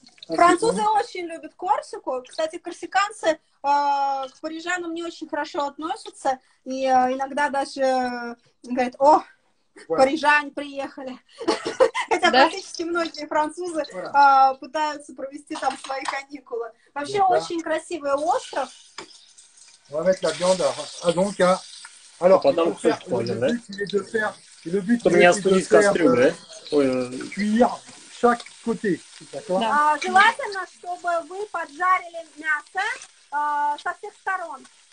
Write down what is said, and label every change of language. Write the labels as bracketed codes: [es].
[ru] Французы очень любят Корсику. Кстати, корсиканцы к парижанам не очень хорошо относятся. И иногда даже говорят, о, парижане приехали. Хотя практически многие французы пытаются провести там свои каникулы. Вообще очень красивый остров. [fr] On va mettre la viande. Ah, donc, hein. Alors, le but, c'est de faire cuire chaque côté. D'accord. [ru] Желательно, чтобы вы поджарили мясо со всех сторон.